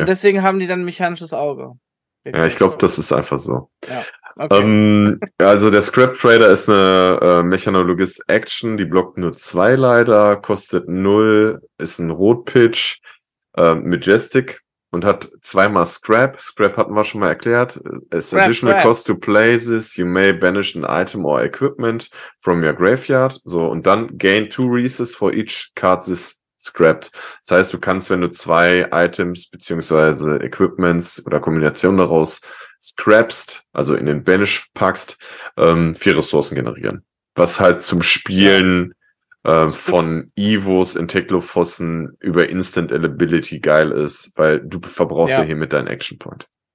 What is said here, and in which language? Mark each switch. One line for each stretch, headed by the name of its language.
German: Und deswegen haben die dann ein mechanisches Auge. Ja, ich glaube, das ist einfach so. Ja. Okay. Also der Scrap Trader ist eine Mechanologist Action, die blockt nur 2 leider, kostet 0, ist ein Rotpitch. Majestic und hat 2x Scrap. Scrap hatten wir schon mal erklärt.
English: As additional cost to places, you may banish an item or equipment from your graveyard.
German: So, und dann
English: gain 2 Reeses for each card this scrapped.
German: Das heißt, du kannst, wenn du 2 Items beziehungsweise Equipments oder Kombinationen daraus scrapst, also in den Banish packst, 4 Ressourcen generieren. Was halt zum Spielen von Evos in Teklofossen über Instant Ability geil ist, weil du verbrauchst ja hier mit deinem Action Point.